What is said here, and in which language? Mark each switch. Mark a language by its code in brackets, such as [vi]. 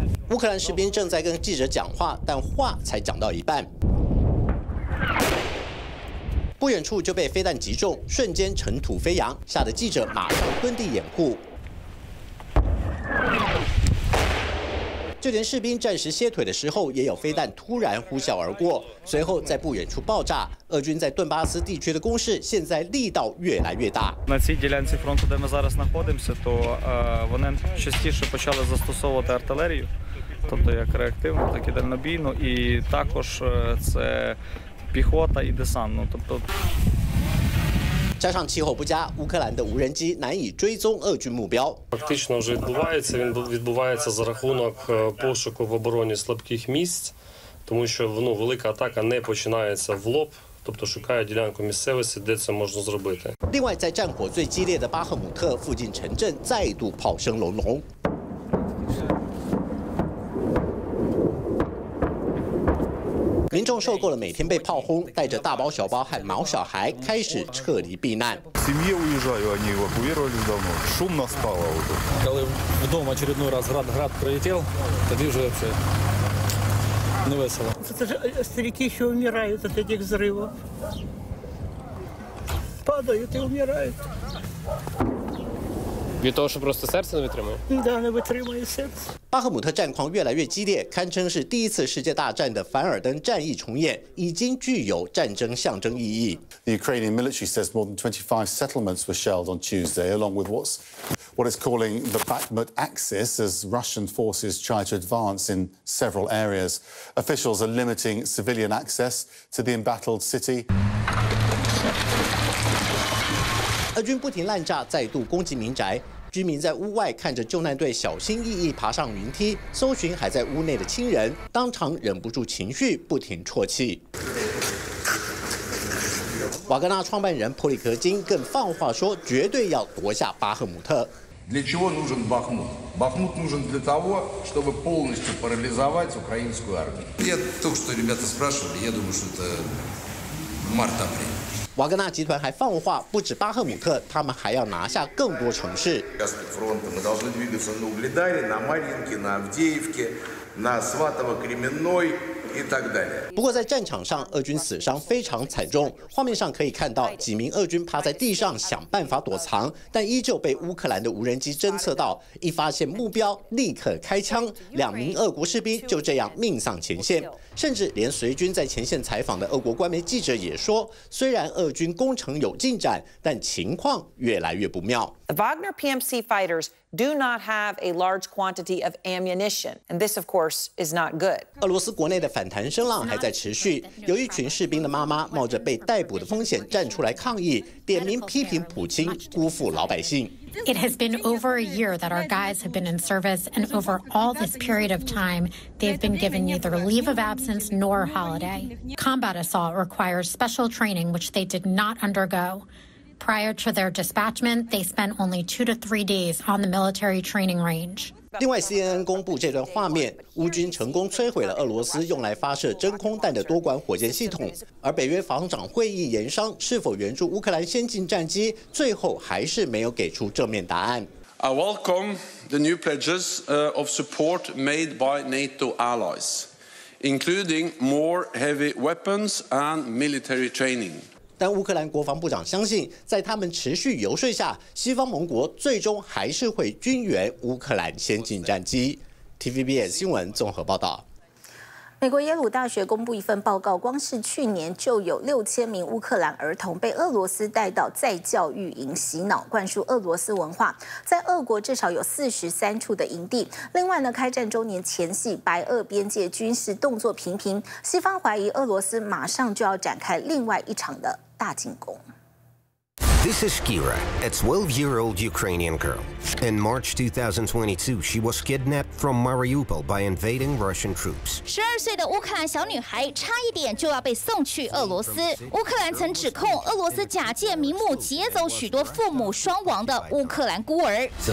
[zh] 乌克兰士兵正在跟记者讲话，但话才讲到一半，不远处就被飞弹击中，瞬间尘土飞扬，吓得记者马上蹲地掩护。就连士兵暂时歇腿的时候，也有飞弹突然呼啸而过，随后在不远处爆炸。俄军在顿巴斯地区的攻势现在力道越来越大。 [uk] На цій ділянці фронту, де ми зараз знаходимося, то вони частіше почали застосовувати артилерію, тобто як реактивну, так і дальнобійну, і також це піхота і десант, тобто. [zh] 加上气候不佳，乌克兰的无人机难以追踪俄军目标。 [uk] Фактично вже відбувається, він відбувається за рахунок пошуку в обороні слабких місць, тому що ну, велика атака не починається в лоб, тобто шукає ділянку місцевості, де це можна зробити. [zh] 另外，在战火最激烈的巴赫姆特附近城镇再度炮声隆隆。民众受够了每天被炮轰，带着大包小包和毛小孩开始撤离避难。 [uk] Сім'я уїжджаю, вони евакуювалися давно. Шумно стало уже. Коли вдома черговий раз град прилетів, тоді вже все не весело. Це ж старики, що вмирають від цих взривів. Падають і вмирають. Від того, що просто серце не витримує? Так, не витримує серце. [zh] 巴赫姆特战况越来越激烈，堪称是第一次世界大战的凡尔登战役重演，已经具有战争象征意义。 [en] The Ukrainian military says more than 25 settlements were shelled on Tuesday, along with what is calling the Bakhmut axis, as Russian forces try to advance in several areas. Officials are limiting civilian access to the embattled city. [zh] 俄军不停滥炸，再度攻击民宅。居民在屋外看着救难队小心翼翼爬上云梯，搜寻还在屋内的亲人，当场忍不住情绪不停啜泣。瓦格纳创办人普里格金更放话说，绝对要夺下巴赫姆特。 [ru] Для чого нужен Бахмут? Бахмут нужен для того, чтобы полностью парализовать украинскую армию. Я только что ребята спрашивали, я думаю, что это март-апрель. [zh] 瓦格纳集团还放话，不止巴赫姆特，他们还要拿下更多城市。 [ru] мы должны двигаться на Угледаре, на Мариинке, на Авдеевке, на Сватово, Кременной и так далее. [zh] 不过在战场上，俄军死伤非常惨重。画面上可以看到，几名俄军趴在地上想办法躲藏，但依旧被乌克兰的无人机侦测到，一发现目标立刻开枪，两名俄国士兵就这样命丧前线。甚至连随军在前线采访的俄国官媒记者也说，虽然俄军攻城有进展，但情况越来越不妙。 [en] The Wagner PMC fighters do not have a large quantity of ammunition, and this, of course, is not good. [zh] 俄罗斯国内的反弹声浪还在持续，有一群士兵的妈妈冒着被逮捕的风险站出来抗议，点名批评普京辜负老百姓。 [en] It has been over a year that our guys have been in service, and over all this period of time, they've been given neither leave of absence nor holiday. Combat assault requires special training, which they did not undergo. Prior to their dispatchment, they spent only 2 to 3 days on the military training range. [zh] 另外 ，CNN 公布这段画面，乌军成功摧毁了俄罗斯用来发射真空弹的多管火箭系统，而北约防长会议研商是否援助乌克兰先进战机，最后还是没有给出正面答案。 [en] I welcome the new pledges of support made by NATO allies, including more heavy weapons and military training. [zh] 但乌克兰国防部长相信，在他们持续游说下，西方盟国最终还是会军援乌克兰先进战机。 TVBS 新闻综合报道。美国耶鲁大学公布一份报告，光是去年就有6000名乌克兰儿童被俄罗斯带到再教育营洗脑，灌输俄罗斯文化。在俄国至少有43处的营地。另外呢，开战周年前夕，白俄边界军事动作频频，西方怀疑俄罗斯马上就要展开另外一场的大进攻。 This is Kira, a 12-year-old Ukrainian girl. In March 2022, she was kidnapped from Mariupol by invading Russian troops. 12岁的乌克兰小女孩差一点就要被送去俄罗斯。乌克兰曾指控俄罗斯假借名目劫走许多父母双亡的乌克兰孤儿。